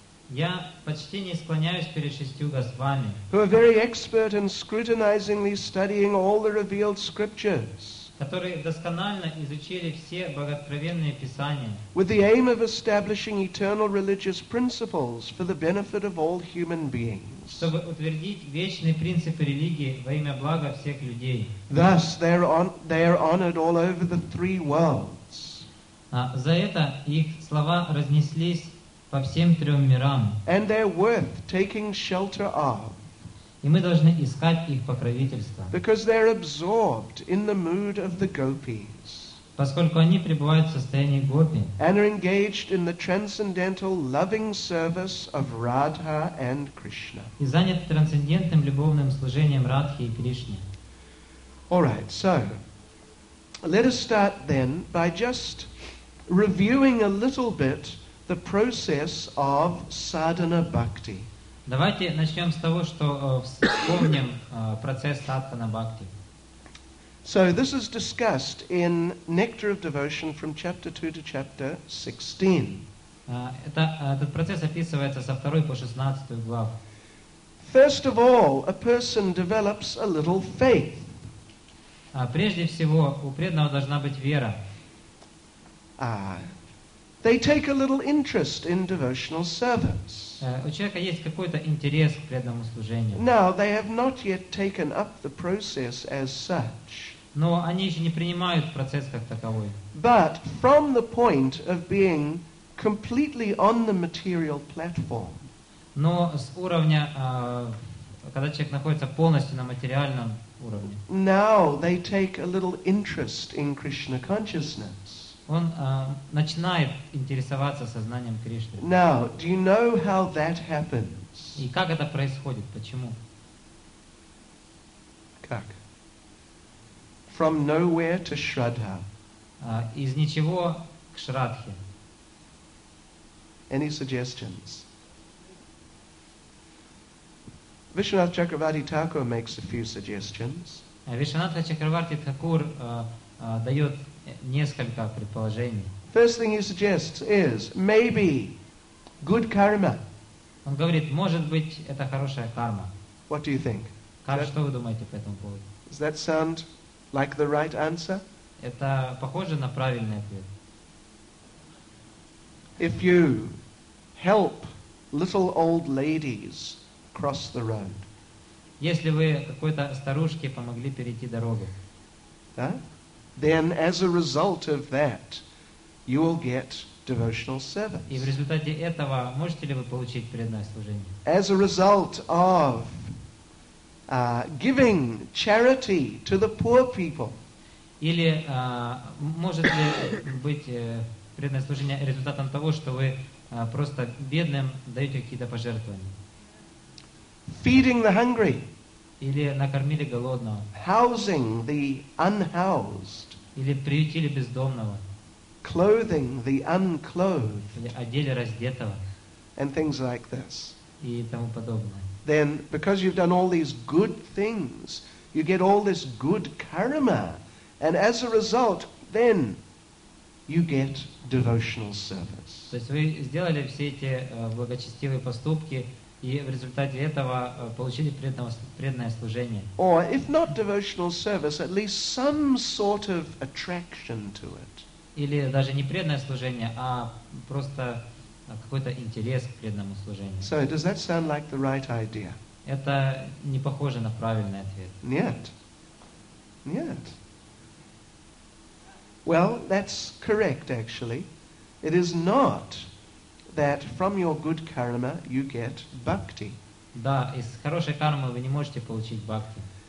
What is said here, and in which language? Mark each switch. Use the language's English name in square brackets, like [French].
[Russian] Я почти не склоняюсь перед шестью Госвами. [English] Who are very expert in scrutinizingly studying all the revealed scriptures. [Russian] Которые досконально изучили все богооткровенные писания. [English] With the aim of establishing eternal religious principles for the benefit of all human beings. [Russian] Чтобы утвердить вечные принципы религии во имя блага всех людей. [English] Thus they are honored all over the three worlds. [Russian] За это их слова разнеслись по всем трем мирам. [English] And they're worth taking shelter of. [Russian] И мы должны искать их покровительство. [English] Because they're absorbed in the mood of the gopis. [Russian] Поскольку они пребывают в состоянии гопи. [English] And are engaged in the transcendental loving service of Radha and Krishna. [Russian] И заняты трансцендентным любовным служением Радхи и Кришны. [English] All right, so let us start then by just reviewing a little bit the process of sadhana bhakti. [Russian] Давайте начнем с того, что вспомним процесс садхана бхакти. [English] So this is discussed in Nectar of Devotion from chapter 2 to chapter 16. [Russian] Этот процесс описывается со 2 по 16 главу. [English] First of all, a person develops a little faith. [Russian] Прежде всего, у преданного должна быть вера. [English] They take a little interest in devotional service. [Russian] У человека есть какой-то интерес к преданному служению. [English] Now, they have not yet taken up the process as such. [Russian] Но они еще не принимают процесс как таковой. [English] But from the point of being completely on the material platform. [Russian] Но с уровня, когда человек находится полностью на материальном уровне. [English] Now they take a little interest in Krishna consciousness. [Russian] Он начинает интересоваться сознанием Кришны. [English] Now, do you know how that happens? [Russian] И как это происходит? Почему? Как? [English] From nowhere to Shraddha. [Russian] Из ничего к Шрадхе. [English] Any suggestions? Vishwanatha Chakravarti Thakur makes a few suggestions. [Russian] Vishwanatha Chakravarti Thakur дает несколько предположений. [English] First thing he suggests is maybe good karma. [Russian] Он говорит, может быть, это хорошая карма. [English] What do you think? [Russian] Что вы думаете по этому поводу? [English] Does that sound like the right answer? [Russian] Это похоже на правильный ответ. [English] If you help little old ladies cross the road. [Russian] Если вы какой-то старушке помогли перейти дорогу. Да? [English] Then as a result of that, you will get devotional service. [Russian] И в результате этого можете ли вы получить преданное служение? [English] As a result of giving charity to the poor people. [Russian] Или может ли быть преданное служение результатом того, что вы просто бедным даете какие-то пожертвования? [English] Feeding the hungry. [Russian] Или накормили голодного. [English] Housing the unhoused. [Russian] Или приютили бездомного. [English] Clothing the unclothed. [Russian] Или одели раздетого. [English] And things like this. [Russian] И тому подобное. [English] Then, because you've done all these good things, you get all this good karma. And as a result, then, you get devotional service. [Russian] То есть вы сделали все эти благочестивые поступки, и в результате этого получили преданное служение. [English] Or if not devotional service, at least some sort of attraction to it. [Russian] Или даже не преданное служение, а просто какой-то интерес к преданному служению. [English] So does that sound like the right idea? [Russian] Это не похоже на правильный ответ. Нет. Нет. [English] Well, that's correct actually. It is not that from your good karma you get bhakti. [Russian] Да, из хорошей кармы вы не можете получить бхакти.